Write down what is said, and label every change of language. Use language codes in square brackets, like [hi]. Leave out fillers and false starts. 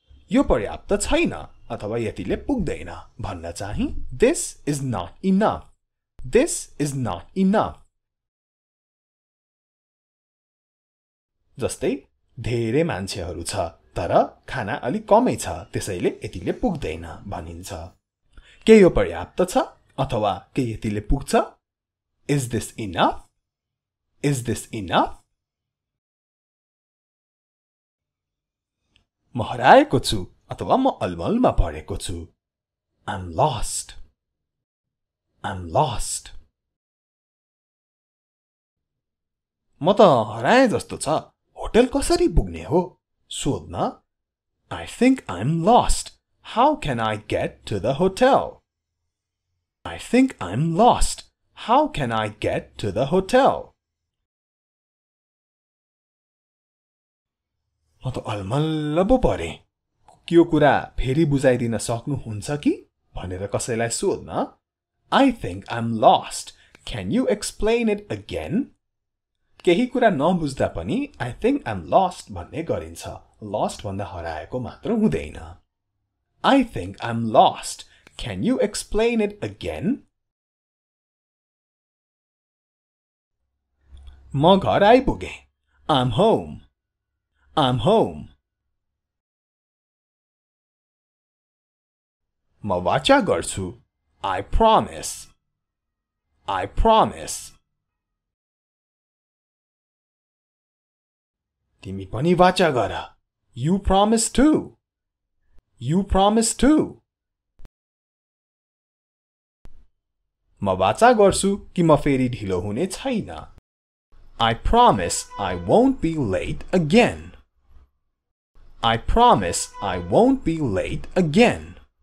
[ne] यो पर्याप्त छैन अथवा यतिले पुग्दैन भन्न चाहि. [en] This is not enough. This is not enough. [ne] जस्तै धेरै मान्छेहरू छ तर खाना अलि कमै छ त्यसैले यतिले पुग्दैन भनिन्छ. के यो पर्याप्त छ अथवा के यतिले पुग्छ? [en] Is this enough? Is this enough? [ne] म हराएको छु अथवा म अलमलमा परेको छु. [en] I'm lost. I'm lost. [ne] म त हराए जस्तो छ. होटल कसरी पुग्ने हो? सोध्न. [en] I think I'm lost. How can I get to the hotel? I think I'm lost. How can I get to the hotel? [ne] म त अलमल्ल पो परे. यो कुरा फेरि बुझाइदिन सक्नुहुन्छ कि भनेर कसैलाई सोध्न. [en] I think I'm lost. Can you explain it again? [ne] केही कुरा नबुझ्दा पनि [en] I think I'm lost [ne] भन्ने गरिन्छ. Lost भन्दा हराएको मात्र हुँदैन. [en] I think I'm lost. Can you explain it again? [ne] म घर आइपुगे. [en] I'm home. I'm home. [ne] म वाचा गर्छु. [en] I promise. I promise. [ne] तिमी पनि वाचा गर. [en] You promise too. You promise too. [ne] म वाचा गर्छु कि म फेरि ढिलो हुने छैन. [en] I promise I won't be late again. I promise I won't be late again.